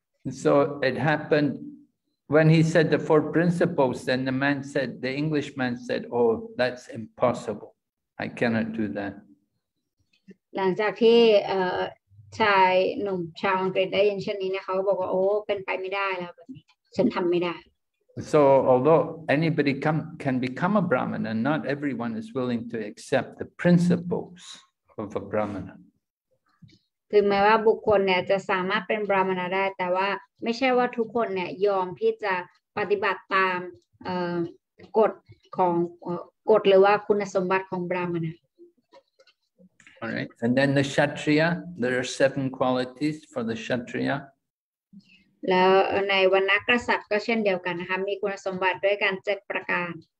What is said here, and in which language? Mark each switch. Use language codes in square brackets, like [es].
[en] So it happened when he said the four principles. Then the man said, the Englishman said, "Oh, that's impossible. I cannot do that." [th] หลังจากที่ชายหนุ่มชาวอังกฤษได้ยินเช่นนี้นะเขาบอกว่าเป็นไปไม่ได้แล้วแบบนี้ฉันทำไม่ได้ [en] So although anybody can become a brahmana, not everyone is willing to accept the principles of a brahmana. [th] ถึงแม้ว่าบุคคลเนี่ยจะสามารถเป็นบราหมณะได้แต่ว่าไม่ใช่ว่าทุกคนเนี่ยยอมที่จะปฏิบัติตามกฎของกฎหรือว่าคุณสมบัติของบราหมณะ [en] Alright and then the Kshatriya there are 7 qualities for the Kshatriya [th] แล้วในวรรณะกษัตริย์ก็เช่นเดียวกันนะคะมีคุณสมบัติด้วยกัน7ประการ